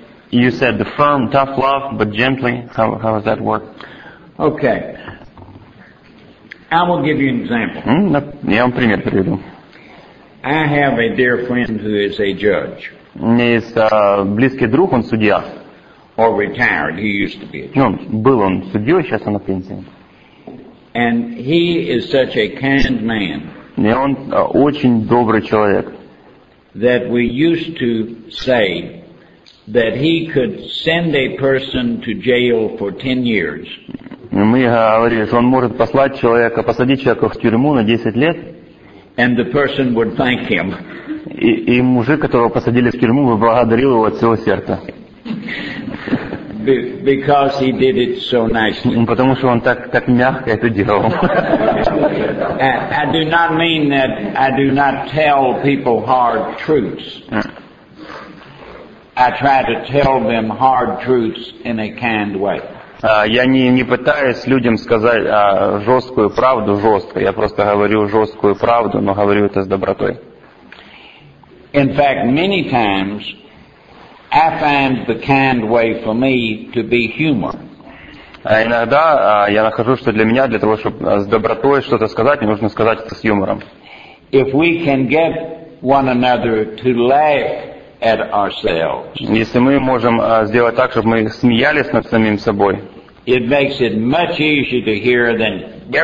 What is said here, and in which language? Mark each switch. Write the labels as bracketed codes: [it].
[en] You said the firm, tough love, but gently. How does that work? Okay. I will give you an example. [ru] Я вам пример приведу. [en] I have a dear friend who is a judge. [ru] У меня есть близкий друг, он судья. [en] Or retired, he used to be a judge. [ru] Ну, был он судьей, сейчас он на пенсии. [en] And he is such a kind man. [ru] И он очень добрый человек. [en] That we used to say that he could send a person to jail for 10 years. [ru] Мы говорили, что он может послать человека, посадить человека в тюрьму на 10 лет. [en] And the person would thank him. [ru] И мужик, которого посадили в тюрьму, благодарил его от всего сердца. [en] Because he did it so nicely. [ru] Потому что он так мягко это делал. [en] I do not mean that I do not tell people hard truths. I try to tell them hard truths in a kind way. [ru] Я не пытаюсь людям сказать жесткую правду жестко. Я просто говорю жесткую правду, но говорю это с добротой. [en] In fact, many times I find the kind way for me to be humor. [ru] Иногда я нахожу, что для меня, для того, чтобы с добротой что-то сказать, мне нужно сказать это с юмором. [en] if we can get one another to laugh at ourselves, [ru] если мы можем сделать так, чтобы мы смеялись над самим собой, [en] it makes it much easier to hear than